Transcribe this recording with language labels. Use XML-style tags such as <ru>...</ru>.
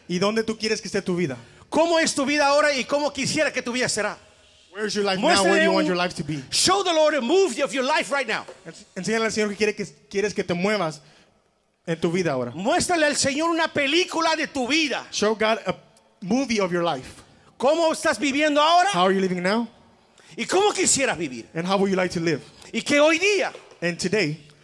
<es>¿Y dónde tú quieres que esté tu vida? ¿Cómo es tu vida ahora y cómo quisiera que tu vida será?</es> <en>Where's your life now? Where do you want your life to be? Show the Lord a move of your life right now.</en> <es>Enséñale al Señor que quieres que te muevas en tu vida ahora. Muéstrale al Señor una película de tu vida.</es> <en>Show God a movie of your life.</en> <es>¿Cómo estás viviendo ahora?</es> <en>How are you living now?</en> <es>¿Y cómo quisieras vivir?</es> <en>And how would you like to live?</en> <es>¿Y que hoy día?</es> <en>And today.</en>